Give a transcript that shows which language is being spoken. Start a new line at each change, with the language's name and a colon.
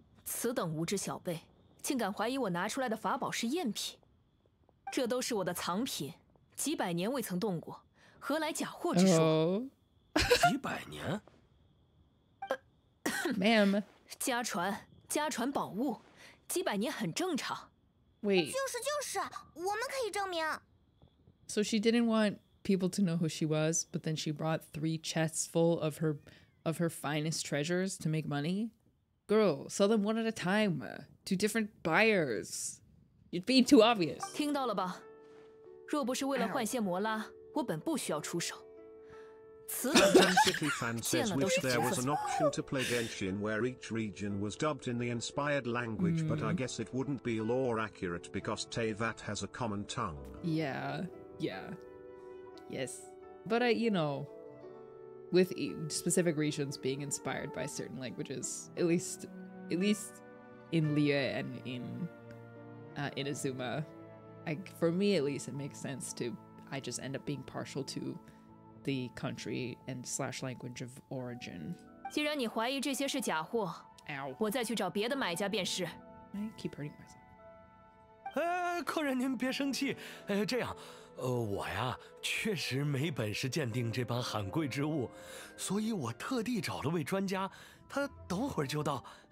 Chinese: 此等无知小辈，竟敢怀疑我拿出来的法宝是赝品，这都是我的藏品，几百年未曾动过，何来假货之说？几百年？ Ma'am，家传，家传宝物，几百年很正常。 Wait，就是就是，我们可以证明。So
English: she didn't want people to know who she was, but then she brought three chests full of her finest treasures to make money. Girl, sell them one at a time to different buyers. You'd be too obvious.
Chinese: 听到了吧？若不是为了换线摩拉，我本不需要出手。词语真实，见了都是角色。
English: was an option to play Genshin where each region was dubbed in the inspired language, but I guess it wouldn't be lore accurate because Teyvat has a common tongue. Yeah, yeah, yes, but I, you know, with specific regions being inspired by certain languages, at least in Liyue and in Azuma, like for me at least, it makes sense to. I just end up being partial to the country and / language of origin.
Chinese: 既然你怀疑这些是假货，我再去找别的买家便是。
English: I keep hurting myself.
Chinese: 客人您别生气，这样，我呀确实没本事鉴定这般罕贵之物，所以我特地找了位专家，他等会儿就到。